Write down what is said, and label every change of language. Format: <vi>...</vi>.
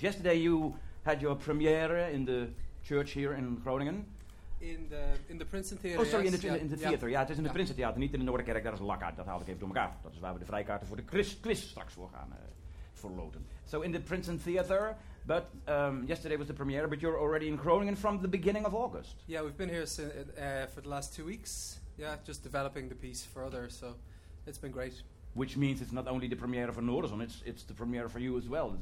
<en>Yesterday you had your première in the church here in Groningen. In the Princeton Theater. Oh, sorry, in the theater.</en> <nl>Ja, het is in de Princeton Theater, niet in de Noorderkerk. Dat is lakkaart, dat haal ik even door elkaar. Dat is waar we de vrijkaarten voor de quiz straks voor gaan verloten.</nl> <en>So in the Princeton Theater, but yesterday was the premiere, but you're already in Groningen from the beginning of August. Yeah, we've been here for the last 2 weeks. Yeah, just developing the piece further, so it's been great. Which means it's not only the premiere for Noorderzon, it's the premiere for you as well.</en>